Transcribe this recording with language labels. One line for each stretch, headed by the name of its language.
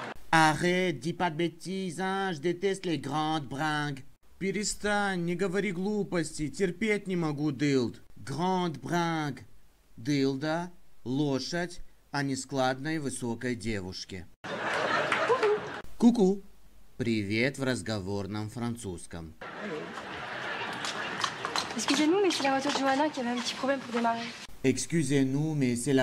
French: Arrête, dis pas de bêtises, je déteste les grandes bringues.
Russian: Перестань, не говори глупости, терпеть не могу дылд.
French: Grande bringue.
Russian: Дылда, лошадь, а не складной высокой девушке. Ку-ку. Привет в разговорном французском.
French: Excusez-nous, mais c'est la voiture de Johanna qui avait un petit problème pour démarrer.